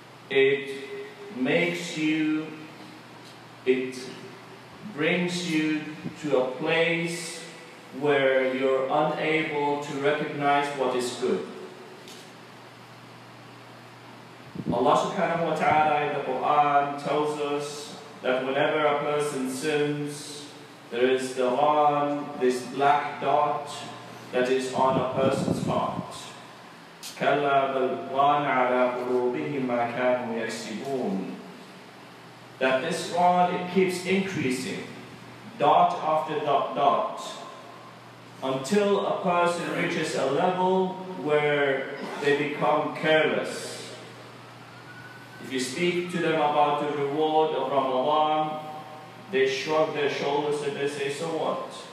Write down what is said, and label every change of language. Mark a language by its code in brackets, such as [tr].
[en] it makes you, it brings you to a place where you're unable to recognize what is good. Allah subhanahu wa ta'ala in the Quran tells us that whenever a person sins, there is this black dot that is on a person's heart. [ar] كلا بل ران على قلوبهم ما كانوا يكسبون. [en] That this rod, it keeps increasing, dot after dot dot, until a person reaches a level where they become careless. If you speak to them about the reward of Ramadan, they shrug their shoulders and they say, so what?